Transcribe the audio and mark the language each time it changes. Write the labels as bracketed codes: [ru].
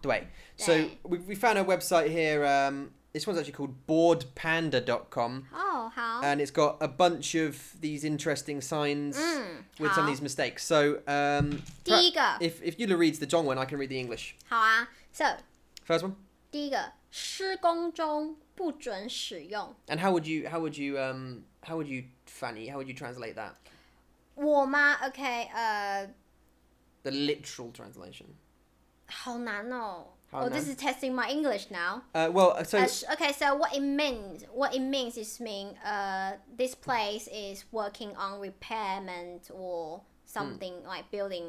[zh] 对. [en] So we found a website here. This one's actually called boardpanda.com. Oh, [zh] 好. [en] And it's got a bunch of these interesting signs with some of these mistakes. So, [zh] 第一个. [en] If Yula reads the Zhongwen, I can read the English. [zh] 好啊.So, [en] first one. [zh] 第一个，施工中不准使用. [en] And how would you [zh] 翻译? [en] How would you translate that? [zh] 我吗?Okay, [en] The literal translation. [zh] 好难哦。 [en] Oh, this is testing my English now. Okay, so what it means is this place is working on repairment or something like building.